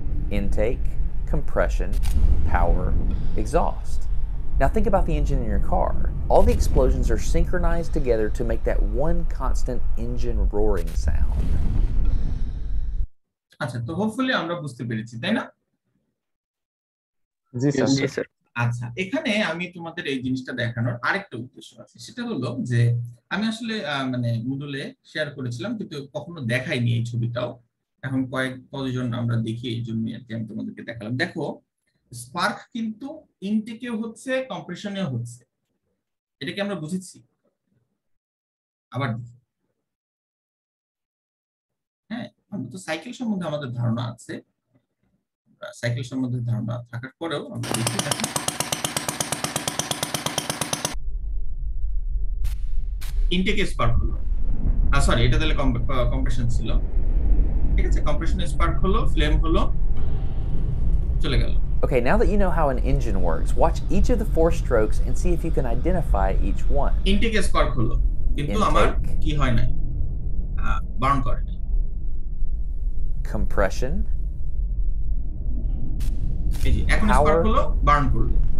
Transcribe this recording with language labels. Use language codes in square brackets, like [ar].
[en] Intake, compression, power, exhaust. Now think about the engine in your car. All the explosions are synchronized together to make that one constant engine roaring sound. [bn] আচ্ছা তো hopefully আমরা বুঝতে পেরেছি, তাই না? জি sir, জি sir. আচ্ছা এখানে আমি তোমাদের এই জিনিসটা দেখানোর আরেকটা উদ্দেশ্য আছে, সেটা হলো যে আমি আসলে মানে মুডুলে শেয়ার করেছিলাম কিন্তু কখনো দেখাইনি এই ছবিটাও। এখন কয়েক পজিশন আমরা দেখি এই জন্য আর কি আমি তোমাদেরকে দেখালাম। দেখো স্পার্ক কিন্তু ইনটেকে হচ্ছে কম্প্রেশনে হচ্ছে, এটাকে আমরা বুঝেছি। আবার হ্যাঁ তো সাইকেল সম্বন্ধে আমাদের ধারণা আছে, সাইকেল সম্বন্ধে ধারণা থাকার পরেও আমরা দেখি ইনটেকে স্পার্ক হলো, সরি এটা তাহলে কম্প্রেশন ছিল, ঠিক আছে কম্প্রেশনে স্পার্ক হলো, ফ্লেম হলো, চলে গেল। [en] Okay, now that you know how an engine works, watch each of the four strokes and see if you can identify each one. [bn] Intake spark holo, kintu amar ki hoy nai, burn kore nai. [en] Compression. [bn] Ekhon spark holo, burn korlo.